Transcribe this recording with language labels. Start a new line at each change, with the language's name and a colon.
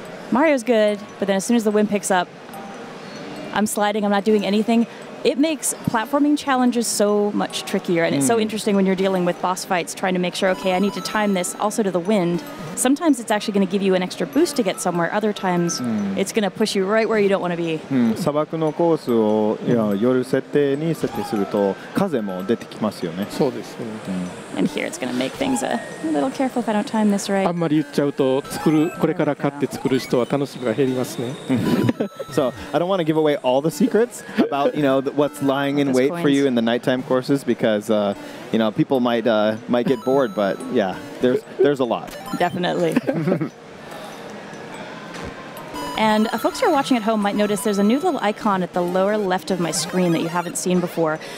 English: Mario's good, but then as soon as the wind picks up, I'm sliding. I'm not doing anything. It makes platforming challenges so much trickier, and it's so interesting when you're dealing with boss fights, trying to make sure, okay, I need to time this also to the wind. Sometimes it's actually going to give you an extra boost to get somewhere. Other times, it's going to push you right where you don't want to be.
Japanese: 砂漠のコースを夜設定に設定すると風も出てきますよね。そうです。
English: And here it's going to make things a little careful if I don't time this right.
Japanese: あんまり言っちゃうと作るこれから買って作る人は楽しみが減りますね。
English: So I don't want to give away all the secrets about what's lying in wait for you in the nighttime courses because people might get bored, but yeah, there's a lot. Definitely. And folks who are watching at home might notice there's a new little icon at the lower left of my screen that you haven't seen before.